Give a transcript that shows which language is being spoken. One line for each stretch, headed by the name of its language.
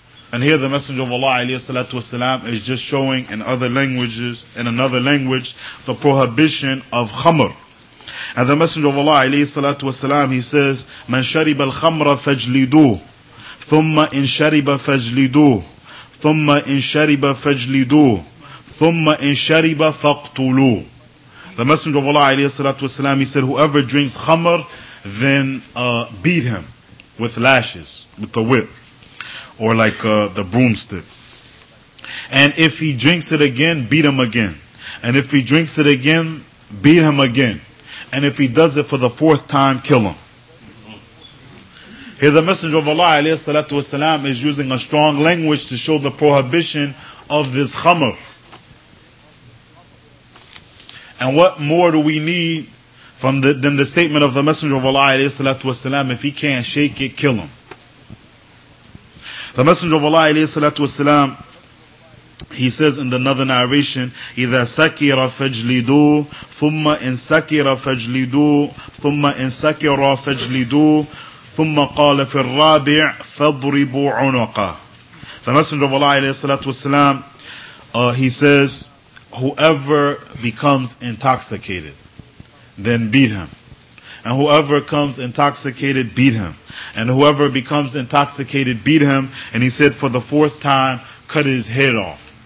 English: And here the Messenger of Allah alayhi salatu wasalam is just showing in other languages, in another language, the prohibition of khamr. And the Messenger of Allah alayhi salatu wasalam, he says,
Arabic: من شرب الخمر فجلدوه ثم إن شرب فجلدوه ثم إن شرب فجلدوه ثم إن شرب فقتلوه.
English: The Messenger of Allah alayhi salatu wasalam, he said, whoever drinks khamr, then beat him with lashes, with the whip, or like the broomstick. And if he drinks it again, beat him again. And if he drinks it again, beat him again. And if he does it for the fourth time, kill him. Here the Messenger of Allah alayhi salatu wasalam is using a strong language to show the prohibition of this khamr. And what more do we need from than the statement of the Messenger of Allah alayhi salatu wasalam, if he can't shake it, kill him. The Messenger of Allah alayhi salatu wasalam, he says
Arabic: in another narration, إِذَا سَكِرَ فَجْلِدُوا ثُمَّ إِن سَكِرَ فَجْلِدُوا ثُمَّ إِن سَكِرَ فَجْلِدُوا ثُمَّ قَالَ فِي الرَّابِعِ فَضْرِبُوا عُنُقَهُ.
English: The Messenger of Allah alayhi salatu wasalam, he says, whoever becomes intoxicated, then beat him. And whoever comes intoxicated, beat him. And whoever becomes intoxicated, beat him. And he said, for the fourth time, cut his head off.